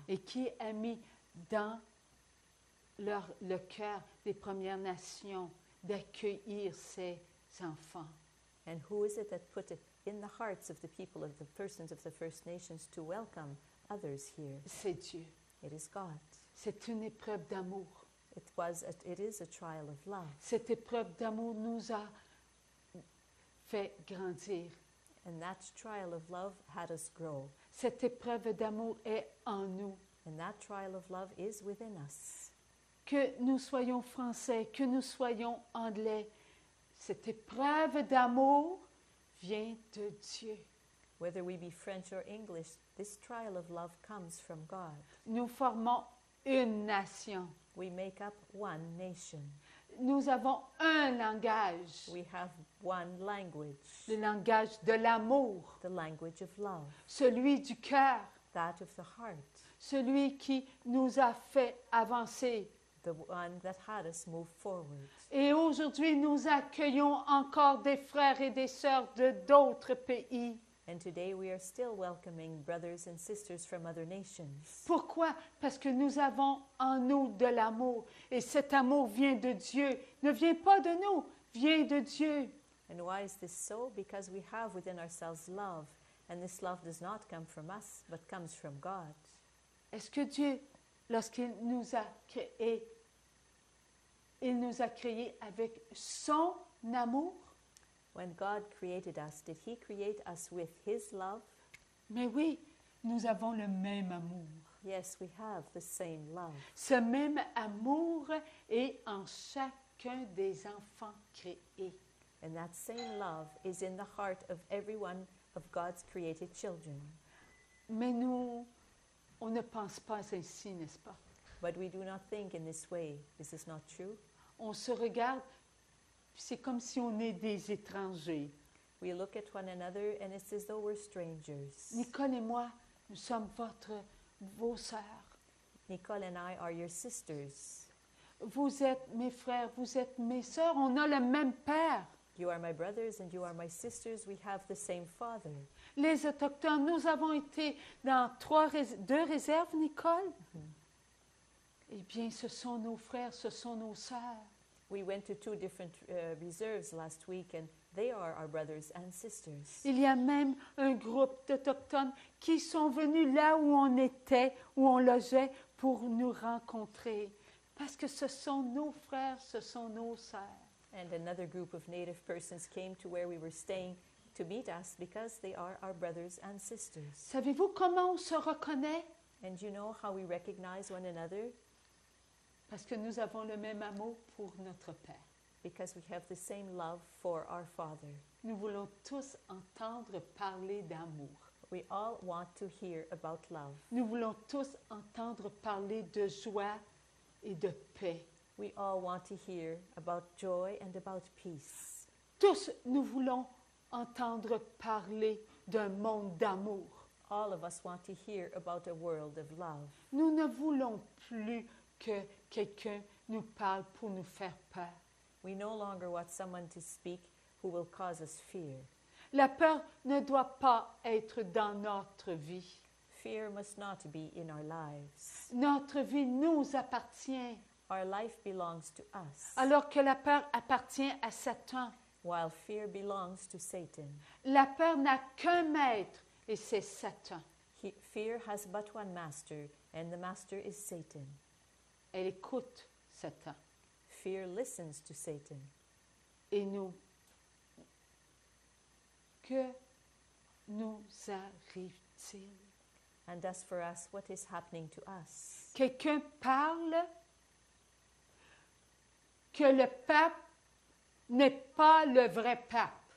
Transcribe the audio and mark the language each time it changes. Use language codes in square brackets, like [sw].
[fr] Et qui a mis dans le cœur des Premières Nations d'accueillir ses enfants. [en] And who is it that put it in the hearts of the people of the persons of the First Nations to welcome others here? [fr] C'est Dieu. [en] It is God. [fr] C'est une épreuve d'amour. [en] It is a trial of love. [fr] Cette épreuve d'amour nous a fait grandir. [en] And that trial of love had us grow. [fr] Cette épreuve d'amour est en nous. [en] And that trial of love is within us. [fr] que nous soyons français, que nous soyons anglais, cette épreuve d'amour vient de Dieu. [en] Whether we be French or English, this trial of love comes from God. [fr] Nous formons une nation. [en] We make up one nation. [fr] Nous avons un langage. [en] We have one language. [fr] Le langage de l'amour. [en] The language of love. [fr] Celui du cœur. [en] That of the heart. [fr] Celui qui nous a fait avancer. [en] The one that had us move forward. [fr] Et aujourd'hui, nous accueillons encore des frères et des sœurs de d'autres pays. [en] And today we are still welcoming brothers and sisters from other nations. [fr] Pourquoi? Parce que nous avons en nous de l'amour. Et cet amour vient de Dieu. Ne vient pas de nous, vient de Dieu. [en] And why is this so? Because we have within ourselves love. And this love does not come from us, but comes from God. [fr] Est-ce que Dieu, lorsqu'il nous a créés, il nous a créés avec son amour? [en] When God created us, did he create us with his love? [fr] Mais oui, nous avons le même amour. [en] Yes, we have the same love. [fr] Ce même amour est en chacun des enfants créés. [en] And that same love is in the heart of every one of God's created children. [fr] Mais nous, on ne pense pas ainsi, n'est-ce pas? [en] But we do not think in this way. Is this not true? [fr] On se regarde, c'est comme si on est des étrangers. [en] We look at one another and it's as though we're strangers. [fr] Nicole et moi, nous sommes vos sœurs. [en] Nicole and I are your sisters. [fr] Vous êtes mes frères, vous êtes mes sœurs, on a le même père. [en] You are my brothers and you are my sisters, we have the same father. [fr] Les Autochtones, nous avons été dans deux réserves, Nicole. Mm-hmm. Eh bien, ce sont nos frères, ce sont nos sœurs. [en] We went to two different reserves last week, and they are our brothers and sisters. [fr] Il y a même un groupe d'Autochtones qui sont venus là où on était, où on logeait, pour nous rencontrer. Parce que ce sont nos frères, ce sont nos sœurs. [en] And another group of Native persons came to where we were staying to meet us because they are our brothers and sisters. [fr] Savez-vous comment on se reconnaît? [en] And you know how we recognize one another? [fr] Parce que nous avons le même amour pour notre Père. [en] Because we have the same love for our Father. [fr] Nous voulons tous entendre parler d'amour. [en] We all want to hear about love. [fr] Nous voulons tous entendre parler de joie et de paix. [en] We all want to hear about joy and about peace. [fr] Tous, nous voulons entendre parler d'un monde d'amour. [en] All of us want to hear about a world of love. [fr] Nous ne voulons plus que quelqu'un nous parle pour nous faire peur. [en] We no longer want someone to speak who will cause us fear. [fr] La peur ne doit pas être dans notre vie. [en] Fear must not be in our lives. [fr] Notre vie nous appartient. [en] Our life belongs to us. [fr] Alors que la peur appartient à Satan. [en] While fear belongs to Satan. [fr] La peur n'a qu'un maître et c'est Satan. [en] Fear has but one master and the master is Satan. [fr] Elle écoute Satan. [en] Fear listens to Satan. [fr] Et nous, que nous arrive-t-il? [en] And as for us, what is happening to us? [fr] Quelqu'un parle que le pape n'est pas le vrai pape.